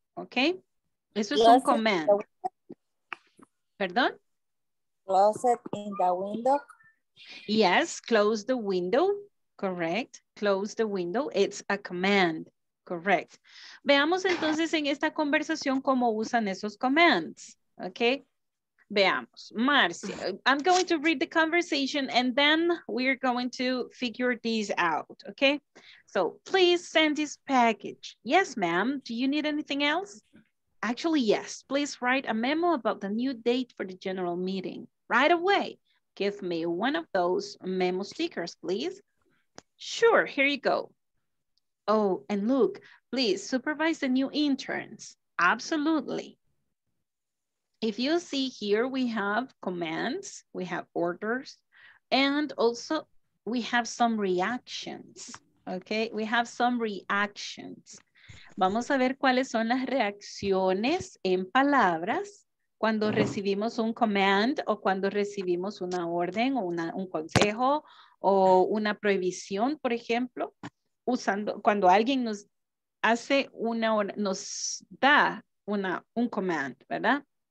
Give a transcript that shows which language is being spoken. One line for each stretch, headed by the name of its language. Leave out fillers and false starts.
Spanish: ¿Ok? Eso es un command. ¿Perdón?
English: Close it in the window. Yes, close the window. Correct. Close the window. It's a command. Correct.
Spanish: Veamos entonces en esta conversación cómo usan esos commands. Okay, veamos.
English: Marcia, I'm going to read the conversation and then we're going to figure these out. Okay, so please send this package. Yes, ma'am. Do you need anything else? Actually, yes. Please write a memo about the new date for the general meeting right away. Give me one of those memo stickers, please. Sure, here you go. Oh, and look, please supervise the new interns. Absolutely. If you see here, we have commands, we have orders, and also we have some reactions, okay? We have some reactions.
Spanish: Vamos a ver cuáles son las reacciones en palabras cuando recibimos un command o cuando recibimos una orden o un consejo o una prohibición, por ejemplo, usando cuando alguien nos hace una nos da un command, ¿verdad?